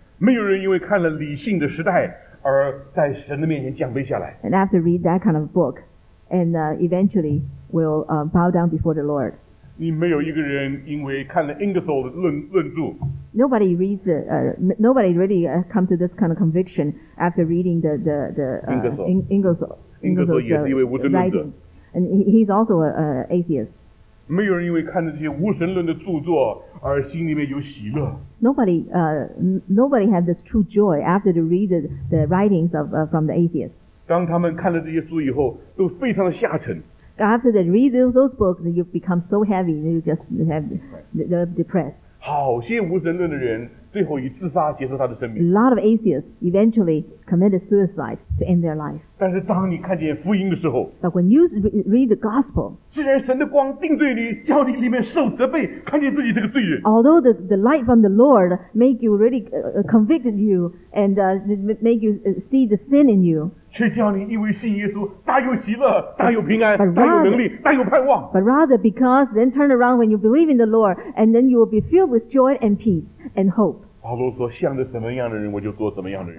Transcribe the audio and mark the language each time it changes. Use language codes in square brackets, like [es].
[zh] 没有人因为看了理性的时代而在神的面前降卑下来。 [en] And I have to read that kind of book, and eventually will bow down before the Lord. [zh] 你没有一个人因为看了 Ingersoll 的论著。 [en] Nobody reads the, nobody really come to this kind of conviction after reading Ingersoll. [zh] Ingersoll 也是一位无神论者。 [en] And he's also an atheist. Nobody had this true joy after to read the writings of, from the atheist. [zh] 当他们看了这些书以后，都非常的下沉。 [en] After they read those books, you become so heavy, you just have the depressed. [zh] 好些无神论的人最后以自杀结束他的生命。 [en] A lot of atheists eventually committed suicide to end their life. [zh] 但是当你看见福音的时候， [en] But when you read the gospel, [zh] 既然神的光定罪你，叫你里面受责备，看见自己这个罪人。 [en] Although the light from the Lord make you really convicted you and make you see the sin in you. [zh] 却叫你因为信耶稣，大有喜乐，大有平安，大有能力，大有盼望。 [en] But rather, because then turn around when you believe in the Lord, and then you will be filled with joy and peace and hope. [zh] 保罗说：“向着什么样的人，我就做什么样的人。”